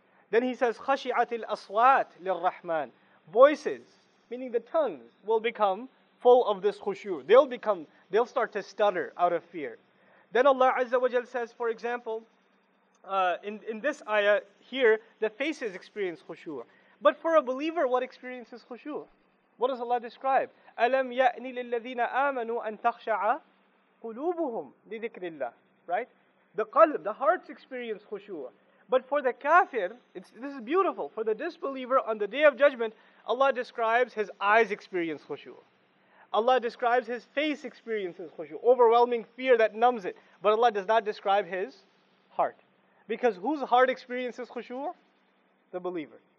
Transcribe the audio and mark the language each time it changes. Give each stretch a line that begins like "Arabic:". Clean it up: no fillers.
English: Then he says,
Arabic: خَشِعَةِ الْأَصْوَاتِ لِلرَّحْمَنِ.
English: Voices, meaning the tongues, will become full of this khushu'. They'll start to stutter out of fear. Then Allah Azza wa Jal says, for example, in this ayah here, the faces experience khushu'. But for a believer, what experiences khushu'? What does Allah describe?
Arabic: أَلَمْ يَأْنِ لِلَّذِينَ آمَنُوا أَن تَخْشَعَ قُلُوبُهُمْ لِذِكْرِ اللَّهِ,
English: right? The qalb, the hearts experience khushu'. But for the kafir, this is beautiful. For the disbeliever, on the Day of Judgment, Allah describes his eyes experience khushu'. Allah describes his face experiences khushu', overwhelming fear that numbs it. But Allah does not describe his heart. Because whose heart experiences khushu'? The believer.